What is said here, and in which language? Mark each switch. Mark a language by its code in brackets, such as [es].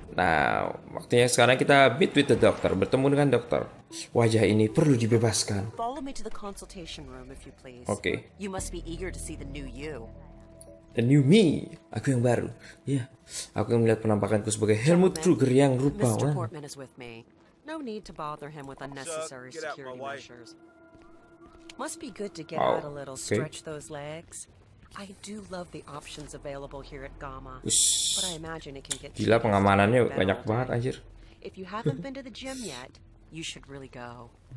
[id] Nah, waktunya sekarang kita [en] meet with the doctor, [id] bertemu dengan dokter. Wajah ini perlu dibebaskan. [en] Follow me to the consultation room if you please. Okay. You must be eager to see the new you. The new me, [id] aku yang baru. Yeah, aku yang melihat penampakanku sebagai Helmut Kruger yang rupawan. [en] Mr. Portman is with me. No need to bother him with unnecessary security measures. Must be good to get out a little, stretch those legs. I do love the options available here at Gamma. But I imagine it can get [id] gila pengamanannya banyak banget anjir. [en] If you haven't been to the gym yet, you should really go.